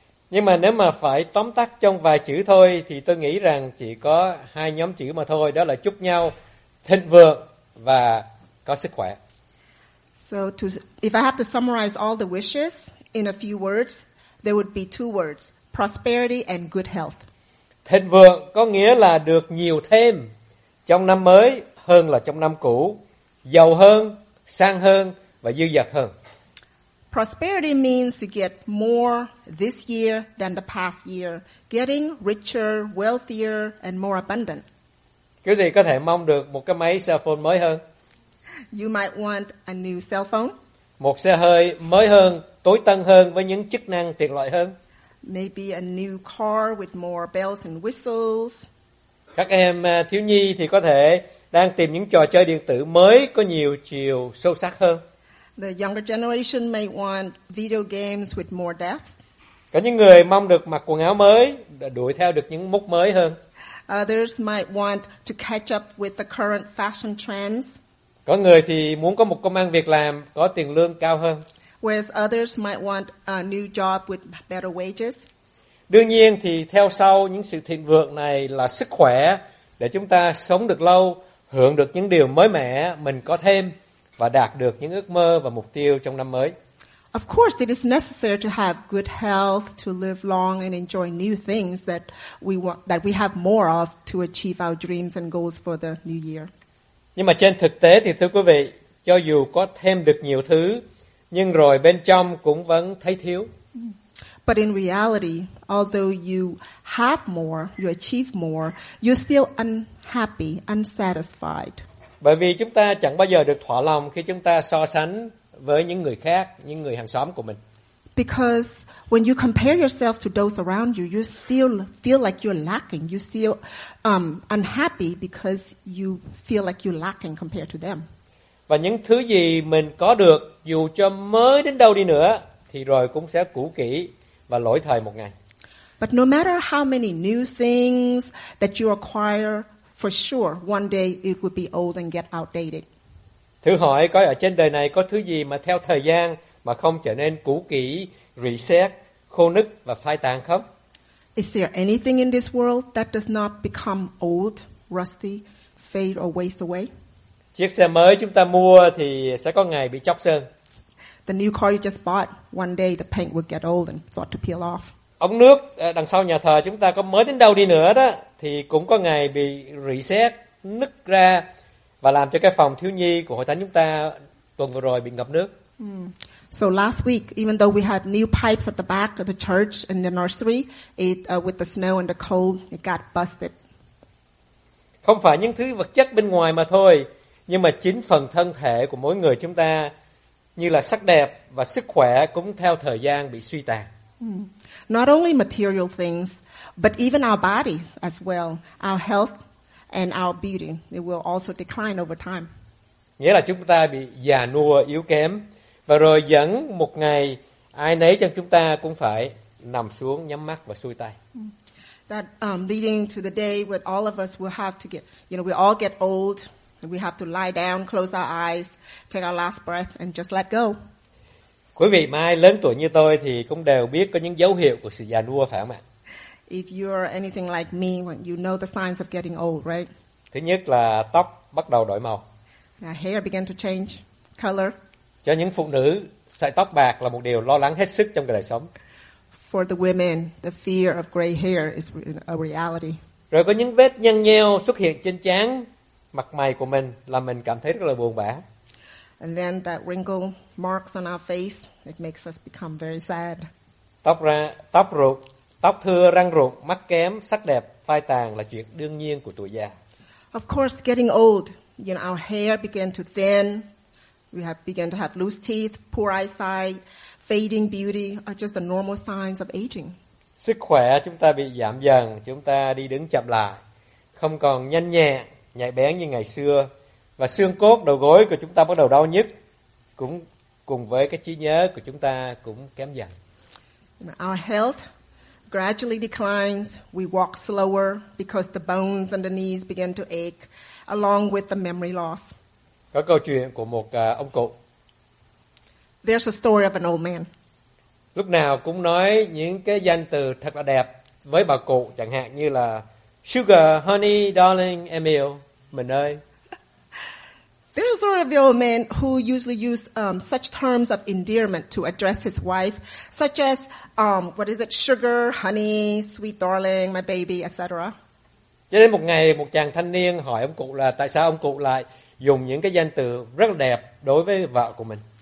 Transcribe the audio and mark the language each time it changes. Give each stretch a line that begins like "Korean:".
Vietnamese: Nhưng mà nếu mà phải tóm tắt trong vài chữ thôi, thì tôi nghĩ rằng chỉ có hai nhóm chữ mà thôi, đó là chúc nhau thịnh vượng và có sức khỏe.
English: So, if I have to summarize all the wishes in a few words, there would be two words: prosperity and good health.
Vietnamese: Thịnh vượng có nghĩa là được nhiều thêm trong năm mới hơn là trong năm cũ, giàu hơn, sang hơn và dư dật hơn.
English: Prosperity means to get more this year than the past year, getting richer, wealthier and more abundant.
Vietnamese: Quý vị có thể mong được một cái máy cell phone mới hơn.
English: You might want a new cell phone.
Vietnamese: Một xe hơi mới hơn, tối tân hơn với những chức năng tiện lợi hơn.
English: Maybe a new car with more bells and whistles.
Vietnamese: Các em thiếu nhi thì có thể đang tìm những trò chơi điện tử mới có nhiều chiều sâu sắc hơn.
English: The younger generation may want video games with more depth.
Vietnamese: Có những người mong được mặc quần áo mới, đuổi theo được những mốc mới hơn.
English: Others might want to catch up with the current fashion trends.
Vietnamese: Có người thì muốn có một công ăn việc làm có tiền lương cao hơn.
English: Whereas others might want a new job with better wages.
Vietnamese: Đương nhiên thì theo sau những sự thịnh vượng này là sức khỏe để chúng ta sống được lâu, hưởng được những điều mới mẻ mình có thêm và đạt được những ước mơ và mục tiêu trong năm mới.
English: Of course, it is necessary to have good health to live long and enjoy new things that we want, that we have more of to achieve our dreams and goals for the new year.
Vietnamese: Nhưng mà trên thực tế thì thưa quý vị, cho dù có thêm được nhiều thứ, nhưng rồi bên trong cũng vẫn thấy thiếu.
English: But in reality, although you have more, you achieve more, you're still unhappy, unsatisfied.
Vietnamese: Bởi vì chúng ta chẳng bao giờ được thỏa lòng khi chúng ta so sánh với những người khác, những người hàng xóm của mình.
English: Because when you compare yourself to those around you, you still feel like you're lacking. You still unhappy because you feel like you're lacking compared to them.
Vietnamese: Và những thứ gì mình có được, dù cho mới đến đâu đi nữa, thì rồi cũng sẽ cũ kỹ và lỗi thời một ngày.
English: But no matter how many new things that you acquire, for sure, one day it would be old and get outdated.
Vietnamese: Thử hỏi có ở trên đời này có thứ gì mà theo thời gian mà không trở nên cũ kỹ, rỉ sét, khô nứt và phai tàn không?
English: Is there anything in this world that does not become old, rusty, fade or waste away?
Vietnamese: Chiếc xe mới chúng ta mua thì sẽ có ngày bị chóc sơn.
English: The new car you just bought, one day the paint will get old and start to peel off.
Vietnamese: Ống nước đằng sau nhà thờ chúng ta có mới đến đâu đi nữa đó thì cũng có ngày bị rỉ sét, nứt ra và làm cho cái phòng thiếu nhi của hội thánh chúng ta tuần vừa rồi bị ngập nước.
English: So last week, even though we had new pipes at the back of the church and the nursery, with the snow and the cold, it got busted.
Vietnamese: Không phải những thứ vật chất bên ngoài mà thôi, nhưng mà chính phần thân thể của mỗi người chúng ta như là sắc đẹp và sức khỏe cũng theo thời gian bị suy tàn.
English: Not only material things, but even our body as well, our health and our beauty, it will also decline over time.
Vietnamese: Nghĩa là chúng ta bị già nua, yếu kém. Và rồi dẫn một ngày ai nấy trong chúng ta cũng phải nằm xuống nhắm mắt và xuôi tay.
English: That leading to the day where all of us will have to get, you know, we all get old, and we have to lie down, close our eyes, take our last breath and just let go.
Vietnamese: Quý vị mai lớn tuổi như tôi thì cũng đều biết có những dấu hiệu của sự già nua phải không ạ?
English: If you're anything like me, you know the signs of getting old, right?
Vietnamese: Thứ nhất là tóc bắt đầu đổi màu.
English: Hair began to change color.
Vietnamese: Cho những phụ nữ, sợi tóc bạc là một điều lo lắng hết sức trong đời sống.
English: For the women, the fear of gray hair is a reality.
Vietnamese: Rồi có những vết nhăn nheo xuất hiện trên trán, mặt mày của mình làm mình cảm thấy rất là buồn bã.
English: And then that wrinkle marks on our face, it makes us become very sad.
Vietnamese: Tóc thưa, răng rụng, mắt kém, sắc đẹp phai tàn là chuyện đương nhiên của tuổi già.
English: Of course, getting old, you know, our hair began to thin. We have begun to have loose teeth, poor eyesight, fading beauty are just the normal signs of aging.
Vietnamese: Sức khỏe chúng ta bị giảm dần, chúng ta đi đứng chậm lại, không còn nhanh nhẹn, nhạy bén như ngày xưa, và xương cốt đầu gối của chúng ta bắt đầu đau nhức, cũng cùng với cái trí nhớ của chúng ta cũng kém dần.
English: Our health gradually declines, we walk slower because the bones and the knees begin to ache along with the memory loss.
Vietnamese: Có câu chuyện của một ông cụ.
English: There's a story of an old man.
Vietnamese: Lúc nào cũng nói những cái danh từ thật là đẹp với bà cụ, chẳng hạn như là
English: Sugar, Honey, Darling,
Vietnamese: Emil, mình ơi.
English: There's a story of the old man who usually used such terms of endearment to address his wife, such as, what is it, Sugar, Honey, Sweet, Darling, My Baby, etc.
Vietnamese: Cho đến một ngày, một chàng thanh niên hỏi ông cụ là tại sao ông cụ lại dùng những cái danh từ rất là đẹp đối với vợ của mình.